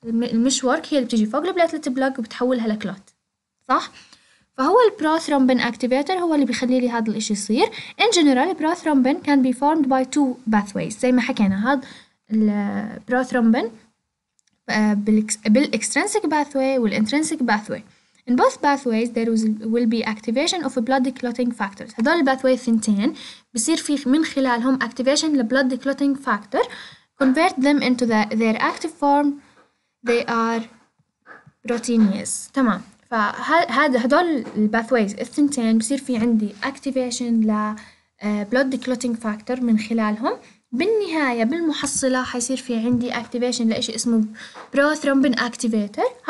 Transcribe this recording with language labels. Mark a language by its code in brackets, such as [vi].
[ar] المشوارك هي اللي بتجي فوق البلاتلت بلاك وبتحولها لكلوت، صح؟ فهو البروثرومبين اكتيفيتر هو اللي بيخلي لي هذا الاشي يصير. [en] in general البروثرومبين can be formed by two pathways [ar] زي ما حكينا. هذا البروثرومبين بالإكسترنسك باثوي والإنترنسك باثوي. [en] In both pathways there will be activation of a blood clotting factor. [ar] هذول الباثوي ثنتين بصير في من خلالهم activation ل [en] blood clotting factor. Convert them into their active form. They are proteinase. [ar] تمام. فهذا هذول الباثويز الثنتين بصير في عندي activation لblood clotting factor من خلالهم. بالنهاية بالمحصلة حيصير في عندي activation لإشي اسمه prothrombin activator.